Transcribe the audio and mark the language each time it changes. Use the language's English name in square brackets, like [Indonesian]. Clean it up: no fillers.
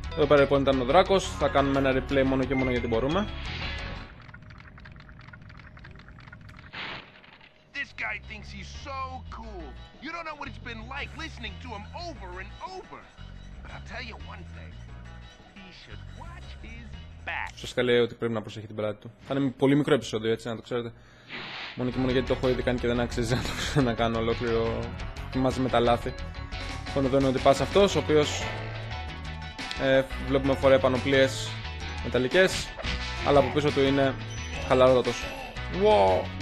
[Greek] Εδώ πέρα λοιπόν ήταν ο δράκος, θα κάνουμε ένα replay μόνο και μόνο γιατί μπορούμε. [English] This guy thinks he's so cool. You don't know what it's been like listening to him over and over. But I'll tell you one thing. He should watch his... [Greek] Σωστά λέει ότι πρέπει να προσέχει την πλάτη του. Θα είναι πολύ μικρό επεισόδιο, έτσι, να το ξέρετε. Μόνο και μόνο γιατί το έχω ήδη κάνει και δεν αξίζει να το ξανακάνω ολόκληρο μαζί με τα λάθη. Λοιπόν, εδώ είναι ο τυπάς αυτός, ο οποίος βλέπουμε φοράει πανοπλίες μεταλλικές, αλλά από πίσω του είναι χαλαρότατος. Wow.